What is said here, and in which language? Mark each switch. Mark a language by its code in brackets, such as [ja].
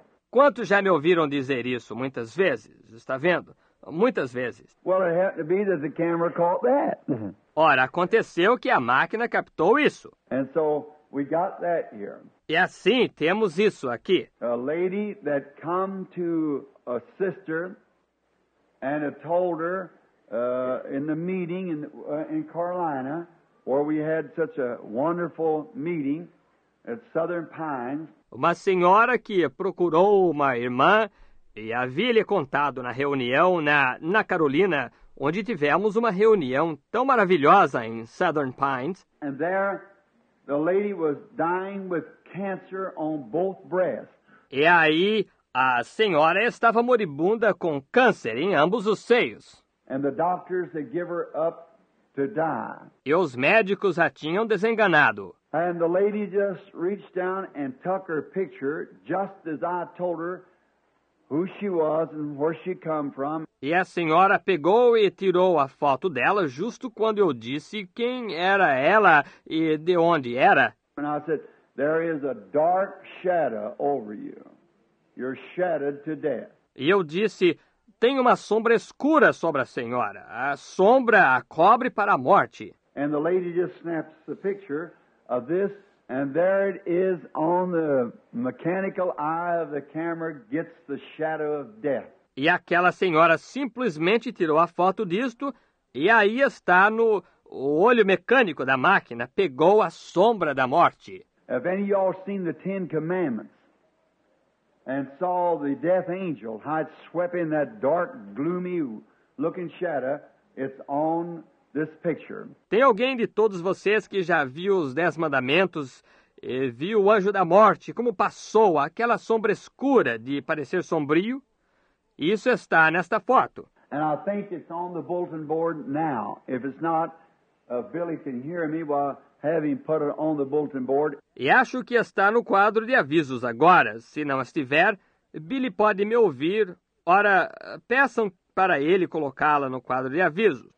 [pt] Quantos já me ouviram dizer isso muitas vezes? Está vendo? Muitas vezes. [en] Well, it happened to be that the camera caught that. [pt] Ora, aconteceu que a máquina captou isso. [en] And so we got that here. [pt] E assim temos isso aqui. [en] A lady that come to a sister and have told her in the meeting in Carolina. Where we had such a wonderful meeting at Southern Pines. [pt] Uma senhora que procurou uma irmã e havia lhe contado na reunião na Carolina, onde tivemos uma reunião tão maravilhosa em Southern Pines. [en] And there, the lady was dying with cancer on both breasts. [pt] E aí, A senhora estava moribunda com câncer em ambos os seios. [en] And the doctors had given her up to die. [pt] E os médicos a tinham desenganado. [en] And the lady just reached down and took her picture, just as I told her who she was and where she come from. [pt] E a senhora pegou e tirou a foto dela justo quando eu disse quem era ela e de onde era. [en] And I said, there is a dark shadow over you. You're shattered to death. [pt] E eu disse, tem uma sombra escura sobre a senhora. A sombra a cobre para a morte. [en] And the lady just snaps the picture of this, and there it is on the mechanical eye of the camera, gets the shadow of death. [pt] E aquela senhora simplesmente tirou a foto disto, e aí está no olho mecânico da máquina, pegou a sombra da morte. [en] Have any of y'all seen the Ten Commandments? And saw the death angel, how it swept in that dark, gloomy-looking shadow, it's on this picture. [pt] Tem alguém de todos vocês que já viu os Dez Mandamentos e viu o anjo da morte, como passou aquela sombra escura de parecer sombrio? Isso está nesta foto. [en] And I think it's on the bulletin board now. If it's not, Billy can hear me while... having put it on the bulletin board. [pt] E acho que está no quadro de avisos agora. Se não estiver, Billy pode me ouvir. Ora, peçam para ele colocá-la no quadro de avisos.